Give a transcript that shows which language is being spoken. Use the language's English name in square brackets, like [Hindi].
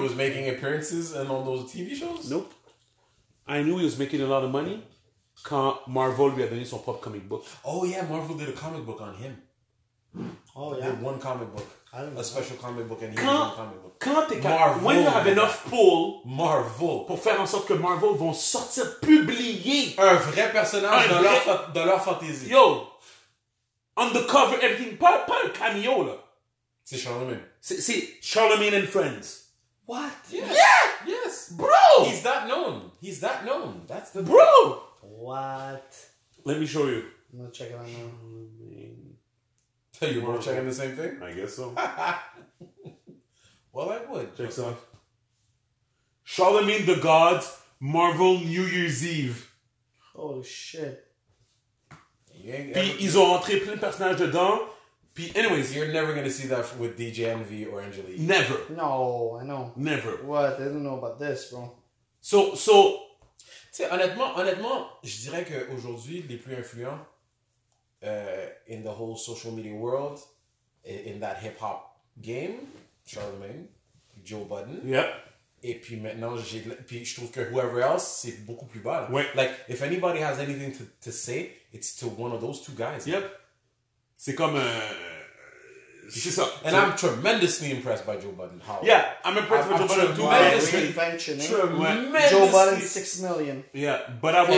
[English] He was making appearances and on those TV shows? Nope. I knew he was making a lot of money [French] quand Marvel lui a donné son propre comic book. [English] Oh yeah, Marvel did a comic book on him. Oh yeah. Did one comic book. I don't know. A special comic book and he [French] quand, [English] did one comic book. [French] Quand t'es Marvel, [English] when you have enough pull Marvel [French] pour faire en sorte que Marvel vont sortir publier un vrai personnage un de leur fantasy. [English] Yo! On the cover, everything. [French] Pas un cameo là. C'est Charlemagne. C'est Charlemagne and Friends. [English] What? Yes. Yeah! Yes! Bro! He's that known. That's the... Bro! Thing. What? Let me show you. I'm not checking on that. Tell you were checking the same thing? I guess so. Well, I would. Check it off. Charlemagne Tha God, Marvel New Year's Eve. Oh, shit. [French] Puis ils ont rentré plein de personnages dedans. [English] But anyways, you're never going to see that with DJ Envy or Angel E. Never. No, I know. Never. What? I don't know about this, bro. So, [French] tu sais, honnêtement, je dirais qu'aujourd'hui, les plus influents [English] in the whole social media world, in that hip-hop game, [French] Charlamagne, Joe Budden. [English] Yep. [French] Et puis maintenant, puis je trouve que [English] whoever else, [French] c'est beaucoup plus bas. Ouais. [English] Like, if anybody has anything to say, it's to one of those two guys. Yep. Like, [French] c'est comme c'est ça. [English] And I'm tremendously impressed by Joe Budden. How? Yeah, I'm impressed by Joe Budden. Tremendously. Reinvention. Tremendously. Joe Budden 6 million. Yeah, but I will